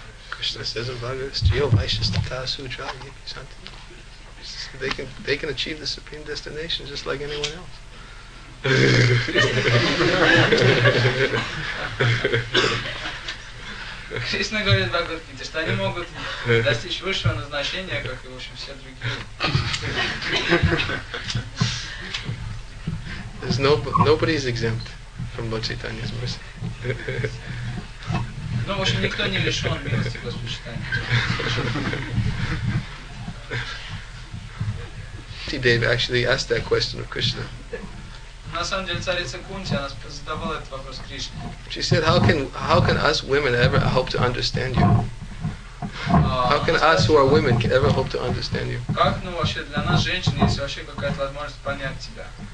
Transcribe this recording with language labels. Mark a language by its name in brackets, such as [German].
[English] Krishna says in Bhagavad Gita, They can achieve the supreme destination just like anyone else. [Russian] Krishna говорит в Бхагавад Гите, что они могут достичь высшего назначения, как и в общем все другие. [English] There's nobody's exempt from Lord Chaitanya's mercy. [Russian] Ну, в общем, никто не лишен милости Господа Чайтанья. [English] Dave actually asked that question of Krishna. [Russian] На самом деле царица Кунти она задавала этот вопрос Кришне. [English] She said, how can us women ever hope to understand you? How can us who are women can ever hope to understand you? [Russian] Как ну вообще для нас женщин есть вообще какая-то возможность понять тебя?